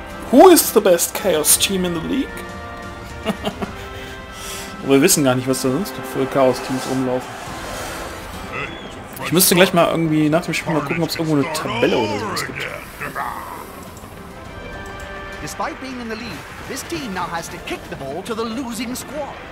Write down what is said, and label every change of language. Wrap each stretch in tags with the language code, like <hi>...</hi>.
<en>Who is the best Chaos Team in the League?</en> <de>Aber wir wissen gar nicht, was da sonst für Chaos Teams rumlaufen. Ich müsste gleich mal irgendwie nach dem Spiel mal gucken, ob es irgendwo eine Tabelle oder sowas gibt.</de> <en>Despite being in the lead, this team now has to kick the ball to the losing squad.</en>